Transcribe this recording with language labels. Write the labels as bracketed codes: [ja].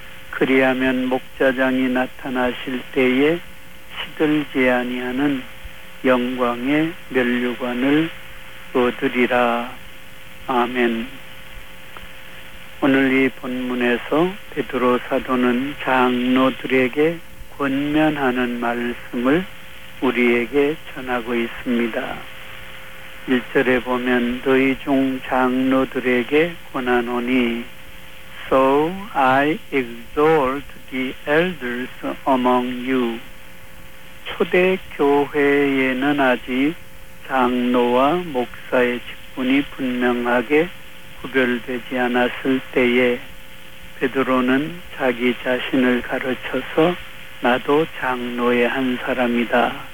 [ko] 그리하면 목자장이 나타나실 때에 시들지 아니하는 영광의 면류관을 얻으리라. 아멘. 오늘 이 본문에서 베드로 사도는 장로들에게 권면하는 말씀을 우리에게 전하고 있습니다. 1절에 보면 너희 중 장로들에게 권하노니 [en] So I exhort the elders among you. [ko] 초대교회에는 아직 장로와 목사의 직분이 분명하게 구별되지 않았을 때에 베드로는 자기 자신을 가르쳐서 나도 장로의 한 사람이다.